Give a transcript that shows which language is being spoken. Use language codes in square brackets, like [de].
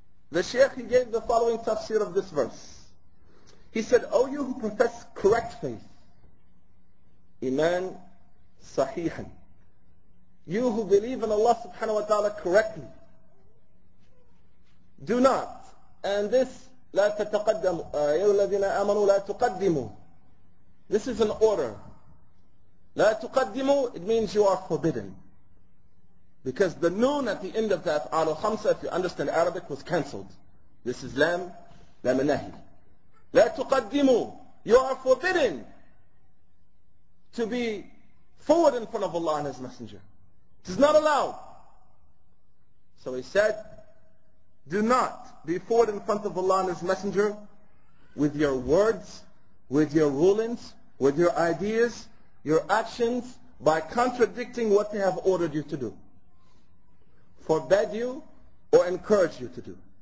[en] The Shaykh, he gave the following tafsir of this verse. He said, O you who profess correct faith, Iman Sahihan, you who believe in Allah subhanahu wa ta'ala correctly, do not. [ar] And this, لا تتقدموا, أيها الذين آمنوا لا تقدموا. [en] This is an order. لا تقدموا, it means you are forbidden. Because the noon at the end of that, على الخمسة, if you understand Arabic, was cancelled. This is لام, لام النهي. لا تقدموا, you are forbidden to be forward in front of Allah and His Messenger. It is not allowed. So he said, do not be forward in front of Allah and His Messenger with your words, with your rulings, with your ideas, your actions, by contradicting what they have ordered you to do, forbid you or encourage you to do.